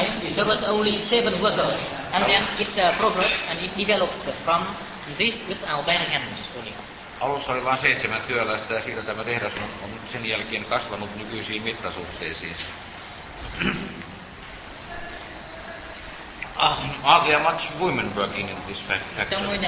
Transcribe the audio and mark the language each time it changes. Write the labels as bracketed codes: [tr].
[en] At the first time, there was only 7 workers, and then it progressed and it developed from this with our bare hands. [fi] Alussa oli vain 7 työläistä, ja siitä tämä tehdas on sen jälkeen kasvanut nykyisiin mittasuhteisiin. [en] Are there much women working in this factory?